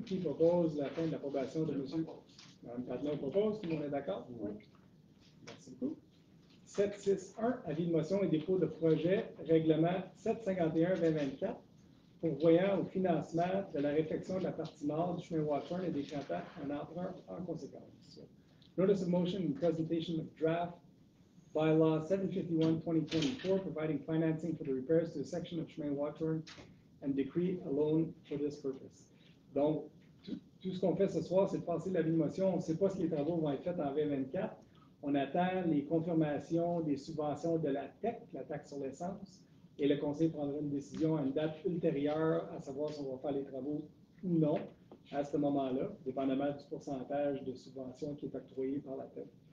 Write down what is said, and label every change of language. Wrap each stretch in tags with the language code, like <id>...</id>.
<fr>Qui propose la fin de l'approbation de monsieur? Madame Patelin propose, tout le monde est d'accord? Oui. Merci beaucoup. 7.6.1, avis de motion et dépôt de projet, règlement 751-2024. Pour voyant au financement de la réflexion de la partie nord du chemin Watson et des Chantants en empereur en conséquence.</fr> <en>Notice of motion and presentation of draft bylaw 751-2024, providing financing for the repairs to a section of chemin Watson and decree a loan for this purpose.</en> <fr>Donc, tout ce qu'on fait ce soir, c'est de passer l'avis de motion. On ne sait pas si les travaux vont être faits en 2024. On attend les confirmations des subventions de la TEC, la taxe sur l'essence. Et le conseil prendra une décision à une date ultérieure, à savoir si on va faire les travaux ou non, à ce moment-là, dépendamment du pourcentage de subvention qui est octroyé par la TEC.</fr>